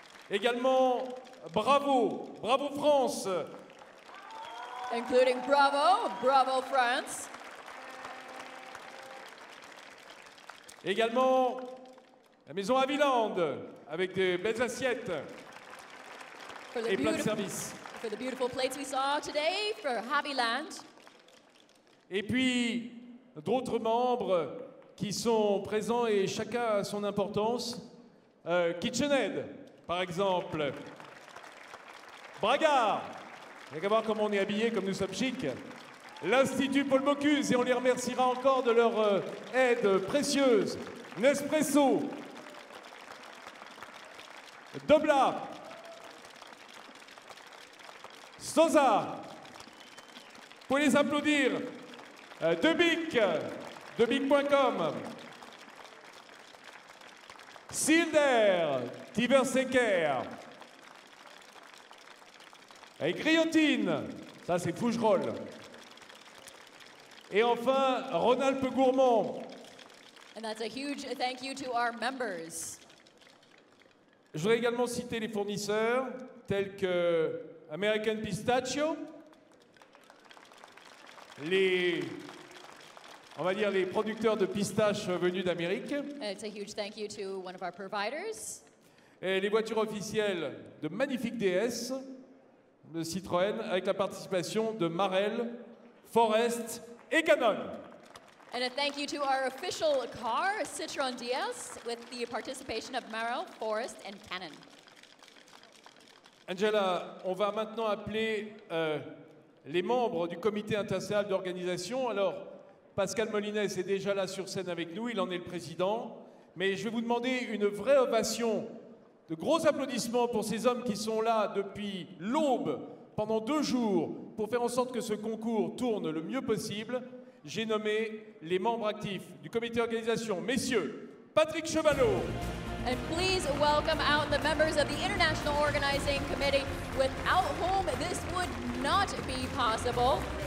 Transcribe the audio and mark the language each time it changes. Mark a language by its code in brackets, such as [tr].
[fr] Également, bravo, bravo France. [en] Including bravo, bravo France. [fr] Également, la maison Aviland, avec des belles assiettes. Et plein de services. [en] For the beautiful plates we saw today for Haviland. [fr] Et puis, d'autres membres qui sont présents et chacun a son importance. KitchenAid, par exemple. Bragard, il y a qu'à voir comment on est habillé, comme nous sommes chics. L'Institut Paul Bocuse, et on les remerciera encore de leur aide précieuse. Nespresso. Dobla. Sosa, vous pouvez les applaudir. Debic, debic.com. Silder, Tiversecker. Et Griotine, ça c'est Fougerolles. Et enfin, Rhône-Alpes Gourmand. [en] And that's a huge thank you to our members. [fr] Je voudrais également citer les fournisseurs tels que American Pistachio, les producteurs de pistaches venus d'Amérique. [en] And it's a huge thank you to one of our providers. [fr] Et les voitures officielles de Magnifique DS, de Citroën, avec la participation de Marel, Forest et Canon. [en] And a thank you to our official car, Citroën DS, with the participation of Marel, Forest and Canon. [fr] Angela, on va maintenant appeler les membres du comité international d'organisation. Alors, Pascal Molinès est déjà là sur scène avec nous, il en est le président. Mais je vais vous demander une vraie ovation, de gros applaudissements pour ces hommes qui sont là depuis l'aube, pendant 2 jours, pour faire en sorte que ce concours tourne le mieux possible. J'ai nommé les membres actifs du comité d'organisation, messieurs Patrick Chevalot. [en] And please welcome out the members of the International Organizing Committee, without whom this would not be possible.